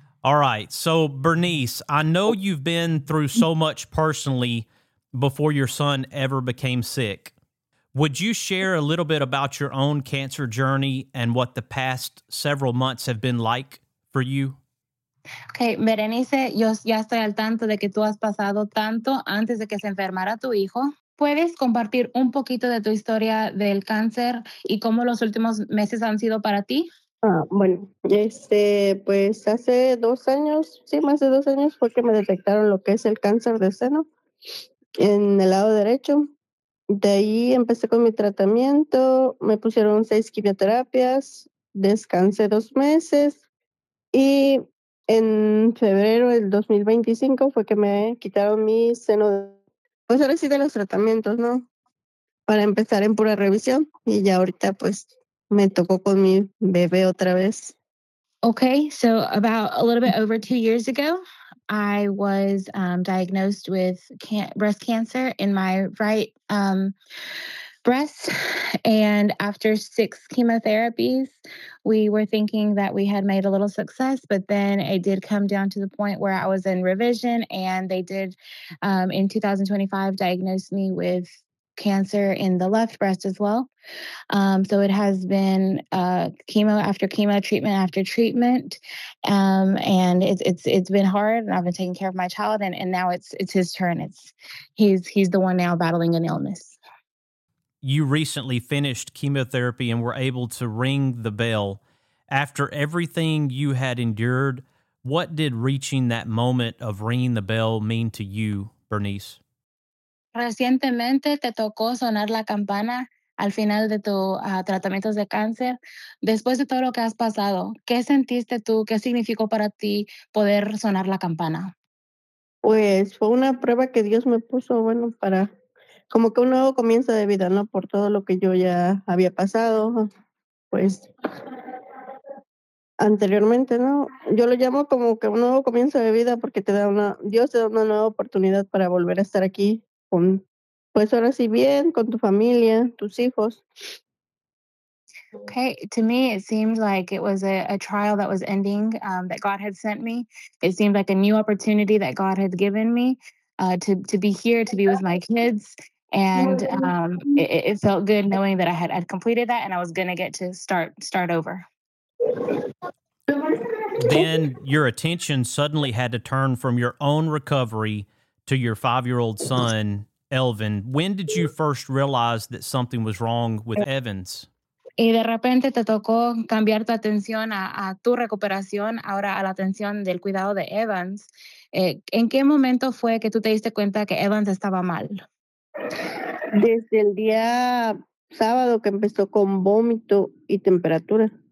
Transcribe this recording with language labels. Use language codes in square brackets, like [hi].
[en] All right. So, Bernice, I know you've been through so much personally before your son ever became sick. Would you share a little bit about your own cancer journey and what the past several months have been like for you? [es] Okay, Berenice, yo ya estoy al tanto de que tú has pasado tanto antes de que se enfermara tu hijo. ¿Puedes compartir un poquito de tu historia del cáncer y cómo los últimos meses han sido para ti? Pues hace 2 años, sí, más de 2 años, fue que me detectaron lo que es el cáncer de seno en el lado derecho. De ahí empecé con mi tratamiento, me pusieron 6 quimioterapias, descansé 2 meses y en febrero del 2025 fue que me quitaron mi seno. Pues ahora sí de los tratamientos, ¿no? Para empezar en pura revisión, y ya ahorita pues me tocó con mi bebé otra vez. [en] Okay, so about a little bit over 2 years ago, I was diagnosed with breast cancer in my right breast. And after six chemotherapies, we were thinking that we had made a little success, but then it did come down to the point where I was in revision, and they did in 2025 diagnose me with cancer in the left breast as well. So it has been chemo after chemo, treatment after treatment. And it's been hard, and I've been taking care of my child, and now it's his turn. He's the one now battling an illness. You recently finished chemotherapy and were able to ring the bell. After everything you had endured, what did reaching that moment of ringing the bell mean to you, Bernice? [es] Recientemente te tocó sonar la campana al final de tu tratamiento de cáncer. Después de todo lo que has pasado, ¿qué sentiste tú? ¿Qué significó para ti poder sonar la campana? Pues fue una prueba que Dios me puso, bueno, para como que un nuevo comienzo de vida, ¿no? Por todo lo que yo ya había pasado, pues anteriormente, ¿no? Yo lo llamo como que un nuevo comienzo de vida porque Dios te da una nueva oportunidad para volver a estar aquí. Pues ahora sí bien, con tu familia, tus hijos. [en] Okay, to me it seemed like it was a trial that was ending that God had sent me. It seemed like a new opportunity that God had given me to be here, to be with my kids. And it felt good knowing that I had completed that and I was going to get to start over. Then your attention suddenly had to turn from your own recovery to your five-year-old son, Elvin. When did you first realize that something was wrong with Evans? [es] Y de repente te tocó cambiar tu atención a tu recuperación, ahora a la atención del cuidado de Evans. ¿En qué momento fue que tú te diste cuenta que Evans estaba mal? Desde el día sábado que empezó con vómito y temperatura.